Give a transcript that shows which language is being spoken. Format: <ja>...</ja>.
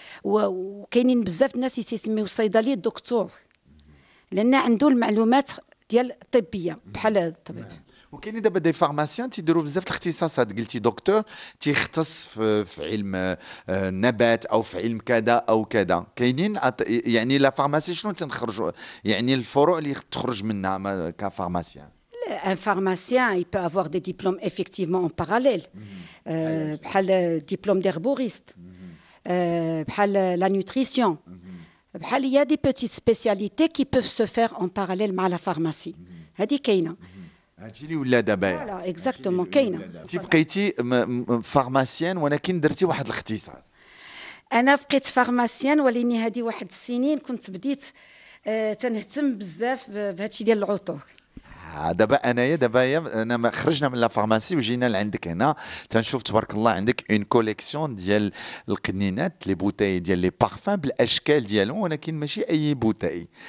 <ar>وكاينين بزاف الناس تيسميو الصيدلي الدكتور لان عنده المعلومات ديال الطبيه بحال الطبيب. وكاينين دابا دي فارماسيان تيديروا بزاف الاختصاصات، قلتي دكتور تيختص في علم النبات او في علم كذا او كذا، كاينين يعني لا فارماسي شنو تنخرجوا يعني الفروع اللي تخرج منها كفارماسيان؟</ar> <fr>Un pharmacien, il peut avoir des diplômes effectivement en parallèle. Bhal le diplôme d'herboriste, bhal la nutrition. Bhal il y a des petites spécialités qui peuvent se faire en parallèle avec la pharmacie.</fr> <ar>Hadi kayna. Hadi li oula daba.</ar> <fr>Voilà, exactement</fr> <ar>kayna. Tu bqiti pharmacienne walakin درتي واحد الاختصاص. انا بقيت pharmacienne ولكن هذه واحد السنين كنت بديت تنهتم بزاف بهادشي ديال العطور. دابا انايا دابا انا ما خرجنا من لا فارماسي وجينا لعندك هنا تنشوف تبارك الله عندك اون كوليكسيون ديال القنينات لي بوتاي ديال لي بارفان بالاشكال ديالهم، ولكن ماشي اي بوتاي.</ar>